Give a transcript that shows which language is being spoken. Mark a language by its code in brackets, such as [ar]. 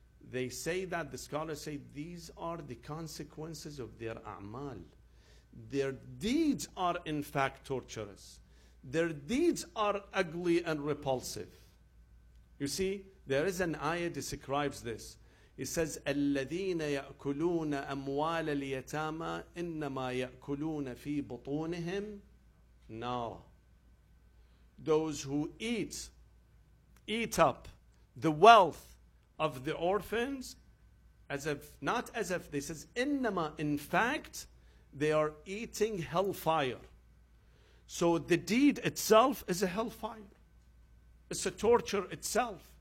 [en] They say that, the scholars say, these are the consequences of their a'mal. Their deeds are in fact torturous. Their deeds are ugly and repulsive. You see, there is an ayah that describes this. It says, [ar] الَّذِينَ يَأْكُلُونَ أَمْوَالَ الْيَتَامَى إِنَّمَا يَأْكُلُونَ فِي بُطُونِهِمْ نَارًا. [en] Those who eat up the wealth of the orphans, this is innama, in fact, they are eating hellfire. So the deed itself is a hellfire. It's a torture itself.